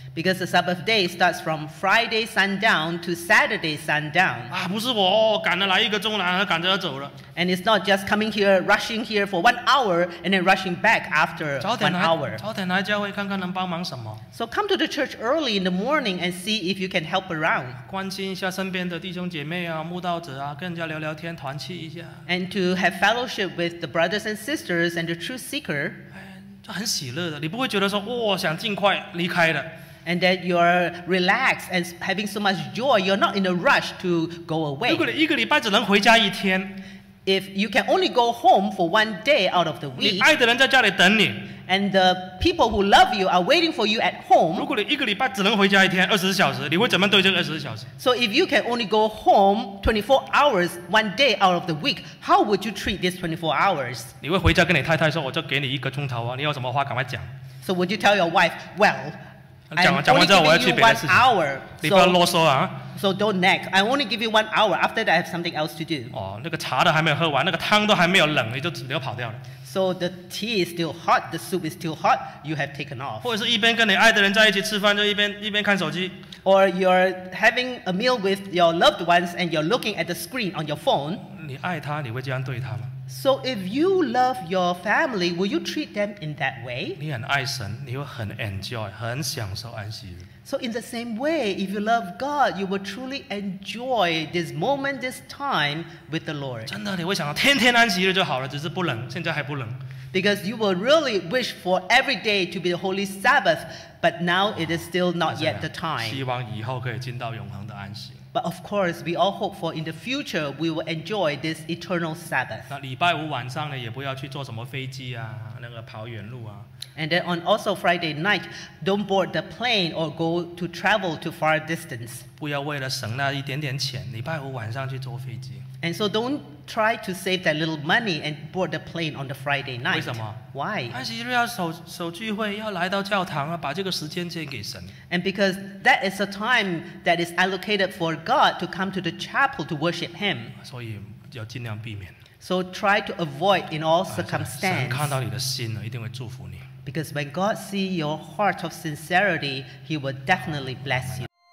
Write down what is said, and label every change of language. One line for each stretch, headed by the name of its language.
English: Because the Sabbath day starts from Friday sundown to Saturday sundown.
Chinese: 啊，不是我，赶着来一个钟，然后赶着要走了。
English: And it's not just coming here, rushing here for 1 hour, and then rushing back after 1 hour.
Chinese: 早点来教会看看能帮忙什么。
English: So come to the church early in the morning and see if you can help around.
Chinese: 关心一下身边的弟兄姐妹啊，慕道者啊，跟人家聊聊天，团契一下。
English: And to have fellowship with the brothers and sisters and the truth seeker.
Chinese: 就很喜乐的，你不会觉得说，哇，想尽快离开了。
English: And that you're relaxed and having so much joy, you're not in a rush to go away.
Chinese: 如果你一个礼拜只能回家一天。
English: If you can only go home for 1 day out of the week,
Chinese: 你爱的人在家里等你,
English: and the people who love you are waiting for you at home,
Chinese: 如果你一个礼拜只能回家一天, 20小时, 你会怎么对这个20小时?
English: So if you can only go home 24 hours, 1 day out of the week, how would you treat this 24 hours?
Chinese: 你会回家跟你太太说, 我就给你一个钟头啊, 你有什么话, 赶快讲。
English: So would you tell your wife, well,
Chinese: 讲完之后我要去别的事情，你不要啰嗦啊。
English: So don't nag. I only give you 1 hour. After that, I have something else to do.
Chinese: 哦，那个茶都还没有喝完，那个汤都还没有冷，你就只有跑掉了。
English: So the tea is still hot. The soup is still hot. You have taken off.
Chinese: 或者是一边跟你爱的人在一起吃饭，就一边看手机。
English: Or you're having a meal with your loved ones and you're looking at the screen on your phone.
Chinese: 你爱他，你会这样对他吗？
English: So if you love your family, will you treat them in that way?
Chinese: 你很爱神，你会很 enjoy， 很享受安息日。
English: So in the same way, if you love God, you will truly enjoy this moment, this time with the Lord.
Chinese: 真的，你会想到天天安息日就好了，只是不冷，现在还不冷。
English: Because you will really wish for every day to be the Holy Sabbath, but now it is still not yet the time.
Chinese: 希望以后可以进到永恒的安息。
English: But of course, we all hope for in the future we will enjoy this eternal Sabbath.
Chinese: 那礼拜五晚上呢，也不要去坐什么飞机啊，那个跑远路啊。
English: And then on also Friday night, don't board the plane or go to travel to far distance.
Chinese: 不要为了省那一点点钱，礼拜五晚上去坐飞机。
English: And so don't try to save that little money and board the plane on the Friday night.
Chinese: 为什么？
English: Why?
Chinese: 安息日要守聚会，要来到教堂啊，把这个时间借给神。
English: And because that is a time that is allocated for God to come to the chapel to worship Him.
Chinese: 所以要尽量避免。
English: So try to avoid in all circumstances.
Chinese: 神看到你的心了，一定会祝福你。
English: Because when God sees your heart of sincerity, He will definitely bless you.